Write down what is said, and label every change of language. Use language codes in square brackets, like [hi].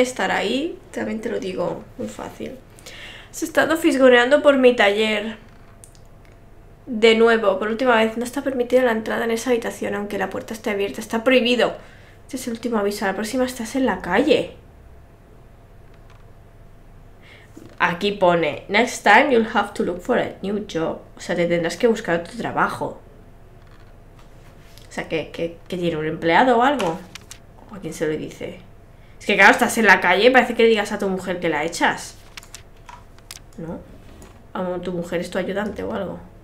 [es] Estar ahí, también te lo digo, muy fácil. Se ha estado fisgoneando por mi taller. De nuevo, por última vez, no está permitida la entrada en esa habitación, aunque la puerta esté abierta. Está prohibido. Este es el último aviso. La próxima estás en la calle. Aquí pone, [en] next time you'll have to look for a new job. [es] O sea, te tendrás que buscar otro trabajo. O sea, que tiene un empleado o algo. ¿O a quién se lo dice? Es que claro, estás en la calle y parece que le digas a tu mujer que la echas. ¿No? A tu mujer es tu ayudante o algo.